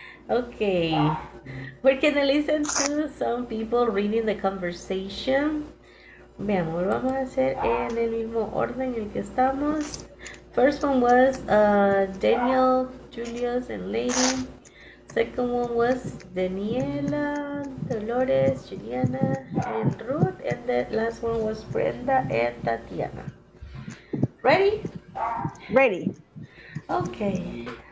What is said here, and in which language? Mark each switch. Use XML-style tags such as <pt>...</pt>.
<en>Okay, we're gonna listen to some people reading the conversation.</en> <es>Veamos, vamos a hacer en el mismo orden en el que estamos.</es> <en>First one was Daniel, Julius, and Lady. Second one was Daniela, Dolores, Juliana, and Ruth. And the last one was Brenda and Tatiana. Ready? Ready. Okay.</en>